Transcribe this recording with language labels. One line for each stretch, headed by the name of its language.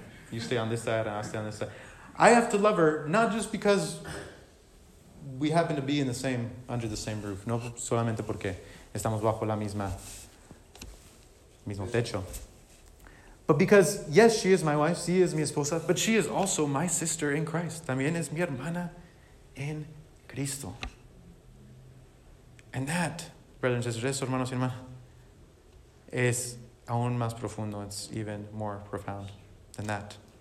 English: You stay on this side and I stay on this side. I have to love her, not just because we happen to be in the same, under the same roof.
Spanish: No solamente porque estamos bajo la misma, mismo techo.
English: But because, yes, she is my wife, she is
Spanish: mi esposa,
English: but she is also my sister in Christ.
Spanish: También es mi hermana en Cristo.
English: And that, brothers and sisters,
Spanish: hermanos y hermanas, es aún más profundo.
English: It's even more profound than that.